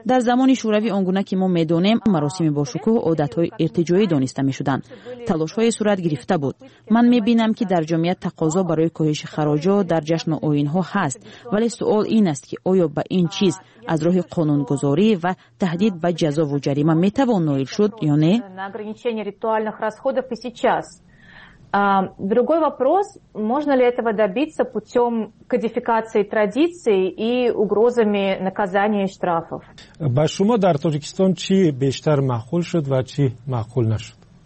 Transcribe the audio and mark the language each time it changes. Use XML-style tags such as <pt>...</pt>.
<tg>Дар замони шӯравӣ он гуна ки мо медонем, маросими бошукӯҳ одатҳои иртиҷоӣ дониста мешуданд. Талошҳое сурат гирифта буд. Ман мебинам, ки дар ҷомеа тақозо барои коҳиши хароҷот дар ҷашну оинҳо ҳаст, вале суол ин аст, ки оё ба ин чиз аз роҳи қонунгузорӣ ва таҳдид ба ҷазову ҷарима метавон ноил шуд ё не?</tg> <ru>На ограничение ритуальных расходов и сейчас. Другой вопрос, можно ли этого добиться путем кодификации традиций и угрозами наказания и штрафов?</ru> <tg>Ба шумо дар Тоҷикистон чи бештар маъқул шуд ва чи маъқул нашуд?</tg>